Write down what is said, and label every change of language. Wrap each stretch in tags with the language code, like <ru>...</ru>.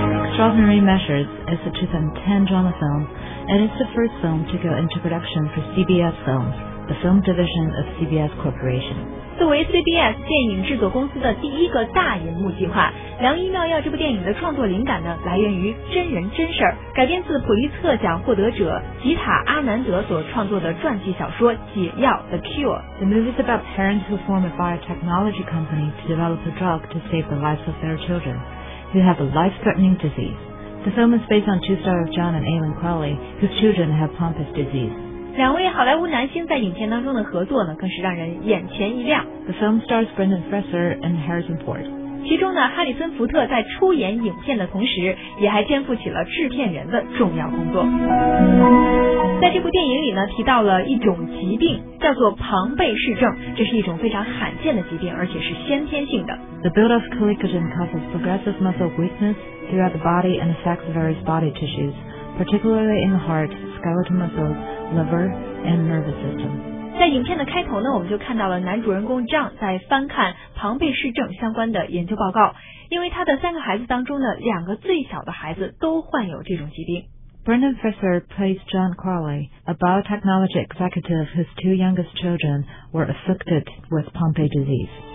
<en>Extraordinary Measures is a 2010 drama film, and it's the first film to go into production for CBS Films, the film division of CBS Corporation.</en> <zh>作为 CBS 电影制作公司的第一个大荧幕计划，《良医妙药》这部电影的创作灵感呢，来源于真人真事儿，改编自普利策奖获得者吉塔·阿南德所创作的传记小说《解药》（The Cure）。</zh> <en>The movie is about parents who form a biotechnology company to develop a drug to save the lives of their children who have a life-threatening disease. The film is based on two stars, John and Aileen Crowley, whose children have Pompe's disease.</en> <zh>两位好莱坞男星在影片当中的合作呢，更是让人眼前一亮。</zh> <en>The film stars Brendan Fraser and Harrison Ford.</en> <zh>其中呢，哈里森·福特在出演影片的同时，也还肩负起了制片人的重要工作。在这部电影里呢，提到了一种疾病，叫做庞贝氏症，这是一种非常罕见的疾病，而且是先天性的。</zh> <en>The buildup of collagen causes progressive muscle weakness throughout the body and affects various body tissues, particularly in the heart, skeletal muscles. Liver and nervous system.</en> <zh>在影片的开头呢，我们就看到了男主人公 John 在翻看庞贝氏症相关的研究报告，因为他的三个孩子当中呢，两个最小的孩子都患有这种疾病。</zh> <en>Brendan Fraser plays John Crowley, a biotechnology executive whose two youngest children were afflicted with Pompe disease.</en>